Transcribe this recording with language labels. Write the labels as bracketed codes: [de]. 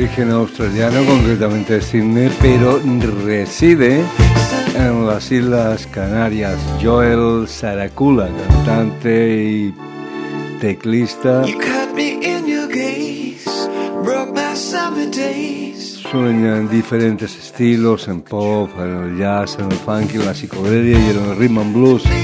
[es] Australiano, concretamente Sydney, pero reside en las Islas Canarias. Joel Saracula, cantante y teclista. [en] You caught me in your gaze, broke my summer days. [es] Sueña en diferentes estilos, en pop, en el jazz, en el funk, en la psicodelia y en el rhythm and blues.